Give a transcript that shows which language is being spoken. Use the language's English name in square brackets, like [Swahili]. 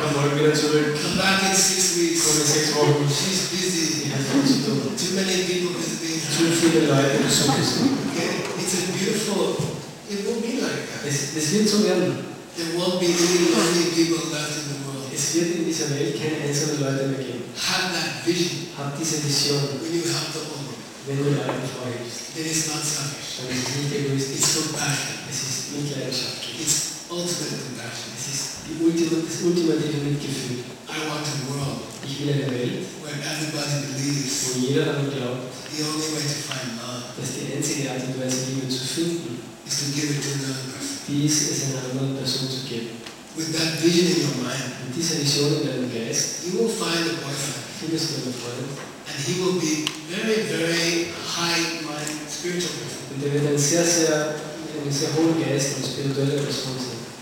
[German] Komm morgen wieder zurück. [English] Come back in 6 weeks. [German] Komm in 6 Wochen. [English] She's busy. [German] Ja, sie hat zu tun. [English] Too many people visiting. [German] Zu viele Leute besuchen. [English] Okay, it's a beautiful. It will be like that. [German] Es wird so werden. [English] There won't be any lonely people left in the world. [German] Es wird in dieser Welt keine einzelnen Leute mehr geben. [English] Have that vision. [German] Hab diese Vision. [English] When you help the woman. [German] Wenn du Leuten freust. [English] Then it's not selfish. [German] Dann ist es nicht egoistisch. [English] It's compassion. [German] Es ist Mitleidenschaft. [English] It's ultimate compassion. [German] Es ist die ultimative Mitgefühl. [English] I want a world. [German] Ich will eine Welt, [English] where everybody believes. [German] Wo jeder daran glaubt. [English] The only way to find love. [German] Dass die einzige Art und Weise, Liebe zu finden, [English] is to give it to another person. [German] Die ist es, einer anderen Person zu geben. [English] With that vision in your mind. [German] Mit dieser Vision in deinem Geist. [English] You will find a boyfriend. [German] Findest du einen Freund. [English] And he will be very, very high-minded spiritual person. [German] Und wird ein sehr hohen Geist und spirituelle Person sein.